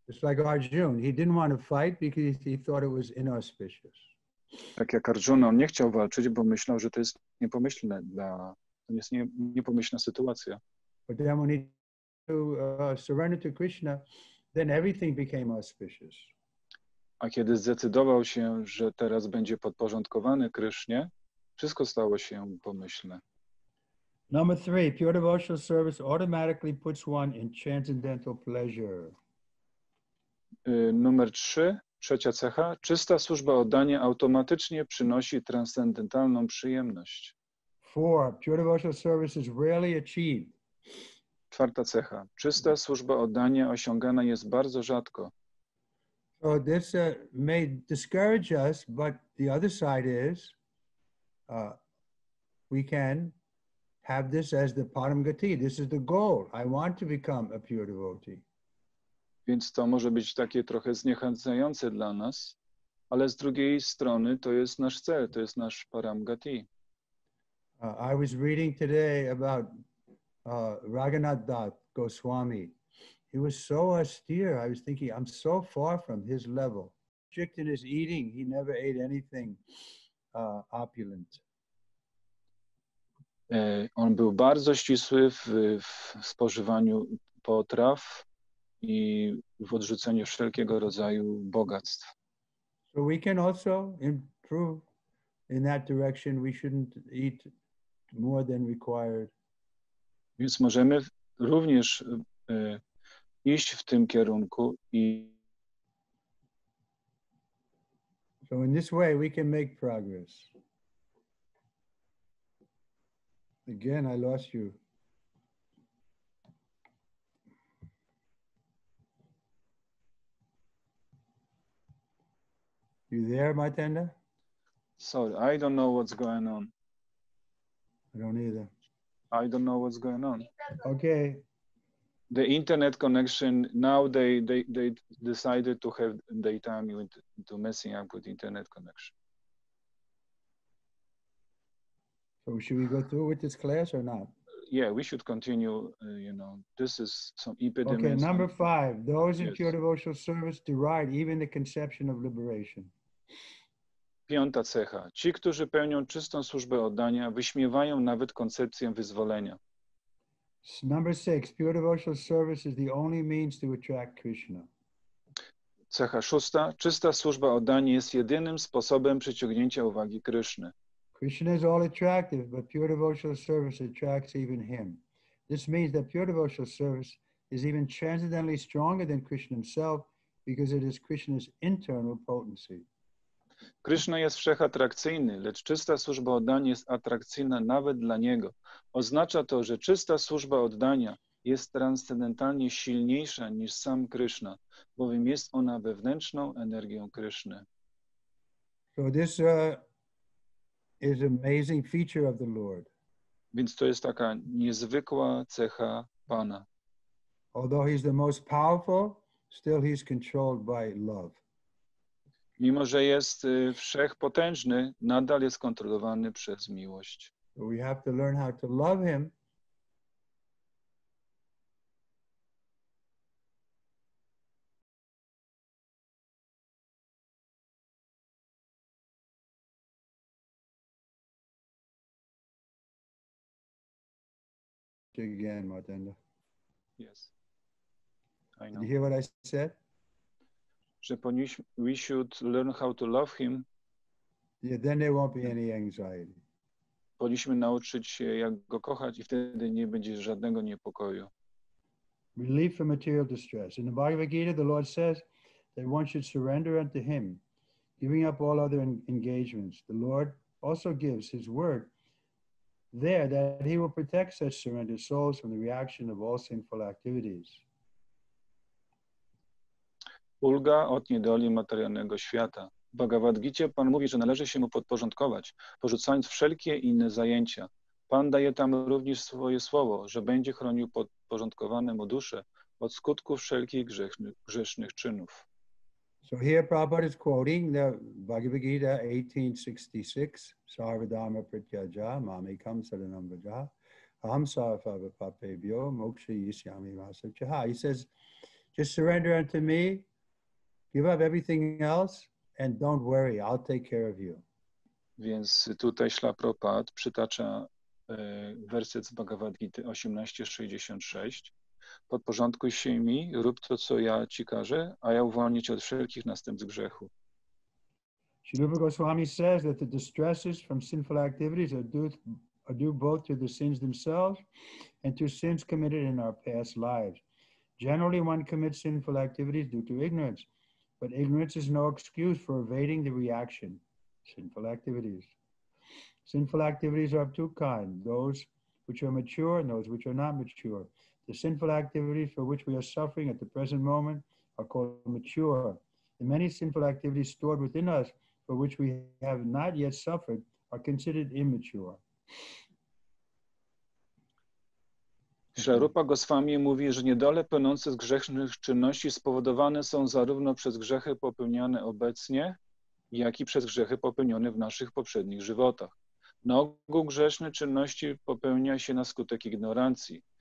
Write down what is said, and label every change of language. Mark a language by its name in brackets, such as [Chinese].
[English] It's like Arjuna, he didn't want to fight because he thought it was inauspicious. [Polish] Tak jak Arjuna, on nie chciał walczyć, bo myślał, że to jest niepomyślne to jest niepomyślna sytuacja. [English] But then when he surrendered to Krishna, then everything became auspicious. [Polish] A kiedy zdecydował się, że teraz będzie podporządkowany Krysznie, wszystko stało się pomyślne. [English] Number three, pure devotional service automatically puts one in transcendental pleasure. [Polish] Numer trzy. Trzecia cecha. Czysta służba oddania automatycznie przynosi transcendentalną przyjemność. [English] Four, pure devotional service is rarely achieved. [Polish] Czwarta cecha. Czysta służba oddania osiągana jest bardzo rzadko. [English] So this may discourage us, but the other side is we can have this as the param gati. This is the goal. I want to become a pure devotee. [Polish] Więc to może być takie trochę zniechęcające dla nas, ale z drugiej strony to jest nasz cel, to jest nasz param gati. [English] I was reading today about Raghunath Das Goswami. He was so austere. I was thinking, I'm so far from his level. Strict in his eating. He never ate anything opulent. [Polish] On był bardzo ścisły w spożywaniu potraw i w odrzuceniu wszelkiego rodzaju bogactw. [English] So we can also improve in that direction. We shouldn't eat more than required. [Polish] Więc możemy również iść w tym kierunku i [English] So in this way we can make progress. Again, I lost you. You there, Martenda? Sorry, I don't know what's going on. I don't either. I don't know what's going on. Okay. The internet connection, now they decided to have data immune to messing up with internet connection. So should we go through with this class or not? Yeah, we should continue, you know, this is some epidemic. Okay, number five, those in pure devotional service deride even the conception of liberation. [Polish] Piąta cecha. Ci, którzy pełnią czystą służbę oddania, wyśmiewają nawet koncepcję wyzwolenia. [English] Number six, pure devotional service is the only means to attract Krishna. [Polish] Cecha szósta. Czysta służba oddania jest jedynym sposobem przyciągnięcia uwagi Kryszny. [English] Krishna is all attractive, but pure devotional service attracts even him. This means that pure devotional service is even transcendentally stronger than Krishna himself because it is Krishna's internal potency. [Polish] Krishna jest wszechatrakcyjny, lecz czysta służba oddania jest atrakcyjna nawet dla Niego. Oznacza to, że czysta służba oddania jest transcendentalnie silniejsza niż sam Krishna, bowiem jest ona wewnętrzną energią Kryszny. [English] So this is amazing feature of the Lord. [Polish] Więc to jest taka niezwykła cecha Pana. [English] Although he's the most powerful, still he's controlled by love. [Polish] Mimo, że jest wszechpotężny, nadal jest kontrolowany przez miłość. [English] We have to learn how to love him. Again, Martenda. Yes. I know. Did you hear what I said? [Polish] Że [English] we should learn how to love him. Yeah, then there won't be any anxiety. [Polish] Powinniśmy nauczyć się, jak go kochać i wtedy nie będzie żadnego niepokoju. [English] Relief from material distress. In the Bhagavad Gita, the Lord says that one should surrender unto him, giving up all other engagements. The Lord also gives his word there that he will protect such surrendered souls from the reaction of all sinful activities. [Polish] Ulga od niedoli materialnego świata. W Bhagavad Gita Pan mówi, że należy się mu podporządkować, porzucając wszelkie inne zajęcia. Pan daje tam również swoje słowo, że będzie chronił podporządkowane mu dusze od skutków wszelkich grzesznych czynów. [English] So here Prabhupada is quoting the Bhagavad Gita 1866, [Sanskrit] Sarvadharma Pratyaja, Mami Kam Saranam Vraja, Aham Sarvava Papebhyo, Moksha Yishyami Vasa Chaha. [English] He says, just surrender unto me, give up everything else, and don't worry, I'll take care of you. [Polish] Więc tutaj Śla Prabhupada przytacza werset z Bhagavad Gita 1866. Podporządkuj się mi, rób to, co ja ci każę, a ja uwolnię cię od wszelkich następstw grzechu. [English] Śri Rupa Goswami says that the distresses from sinful activities are due both to the sins themselves and to sins committed in our past lives. Generally, one commits sinful activities due to ignorance, but ignorance is no excuse for evading the reaction, sinful activities. Sinful activities are of two kinds, those which are mature and those which are not mature. The sinful activities for which we are suffering at the present moment are called mature. The many sinful activities stored within us for which we have not yet suffered are considered immature. [Polish] Śla Rupa Goswami mówi, że niedole płynące z grzesznych czynności spowodowane są zarówno przez grzechy popełniane obecnie, jak i przez grzechy popełnione w naszych poprzednich żywotach. Na ogół grzeszne czynności popełnia się na skutek ignorancji.